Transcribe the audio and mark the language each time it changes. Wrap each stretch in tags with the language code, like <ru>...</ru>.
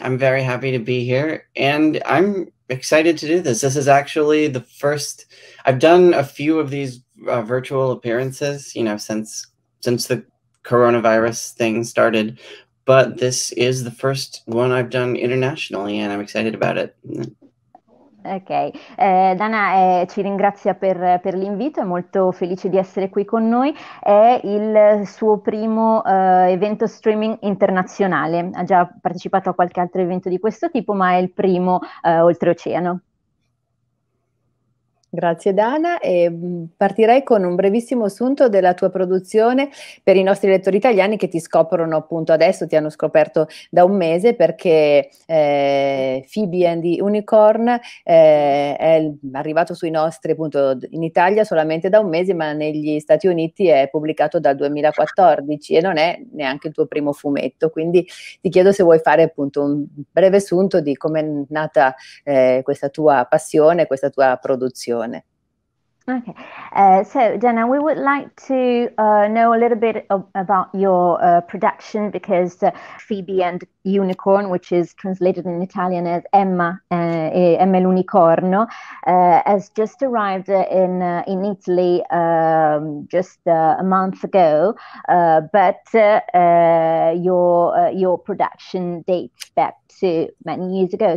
<en>I'm very happy to be here and I'm excited to do this. This is actually the first I've done a few of these virtual appearances, since the coronavirus thing started, but this is the first one I've done internationally and I'm excited about it.</en> <it>Ok, Dana, ci ringrazia per l'invito, è molto felice di essere qui con noi. È il suo primo evento streaming internazionale. Ha già partecipato a qualche altro evento di questo tipo, ma è il primo oltreoceano. Grazie Dana, e partirei con un brevissimo assunto della tua produzione per i nostri lettori italiani che ti scoprono appunto adesso, ti hanno scoperto da un mese, perché Phoebe and the Unicorn è arrivato sui nostri appunto in Italia solamente da un mese, ma negli Stati Uniti è pubblicato dal 2014 e non è neanche il tuo primo fumetto. Quindi ti chiedo se vuoi fare appunto un breve assunto di come è nata questa tua passione, questa tua produzione.</it> <en>Okay, so Jenna, we would like to know a little bit about your production, because Phoebe and Unicorn, which is translated in Italian as Emma l'Unicorno, has just arrived in Italy just a month ago, but your production dates back to many years ago.</en>